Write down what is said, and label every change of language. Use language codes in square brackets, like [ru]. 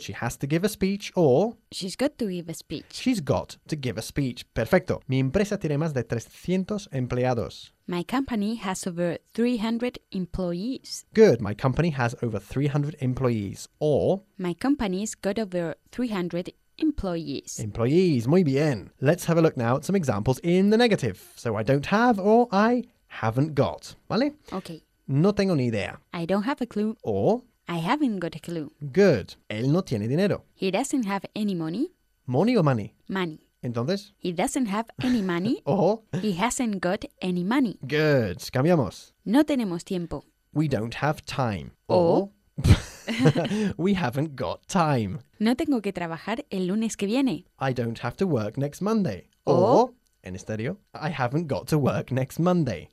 [en] She has to give a speech or she's got to give a speech. She's got to give a speech. [es] Perfecto. Mi empresa tiene más de 300 empleados. [en] My company has over 300 employees. Good. My company has over 300 employees. Or my company's got over 300 employees. Employees. [es] Muy bien. [en] Let's have a look now at some examples in the negative. So I don't have or I haven't got. [es] ¿Vale? [en] Okay. [es] No tengo ni idea. [en] I don't have a clue. Or I haven't got a clue. Good. [es] Él no tiene dinero. [en] He doesn't have any money. ¿Money o money? Money. [es] Entonces, [en] he doesn't have any money. Or he hasn't got any money. Good. [es] Cambiamos. No tenemos tiempo. [en] We don't have time. Or we haven't got time. [es] No tengo que trabajar el lunes que viene. [en] I don't have to work next Monday. Or [es] en estéreo, [en] I haven't got to work next Monday.